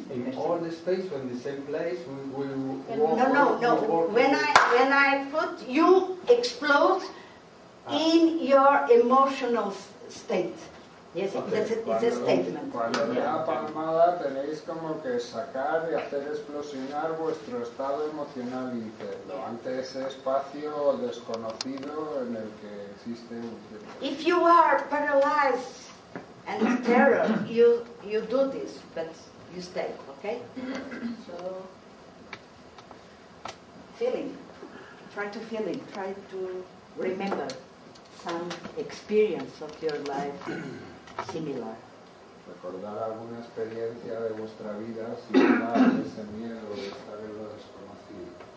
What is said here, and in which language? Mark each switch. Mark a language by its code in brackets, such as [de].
[en] In all the space, in the same place, we will walk. No. When I put you explode in your emotional state. Yes, okay. It's a statement. [es] Cuando le da palmada, tenéis como que sacar y hacer explosionar vuestro estado emocional interno ante ese espacio desconocido en el que existe un. [en] If you are paralyzed and in terror, you do this, but you stay, okay? So, feeling. Try to feel it. Try to remember some experience of your life. Similar. [es] Recordar alguna experiencia de vuestra vida similar a ese miedo de estar en lo desconocido.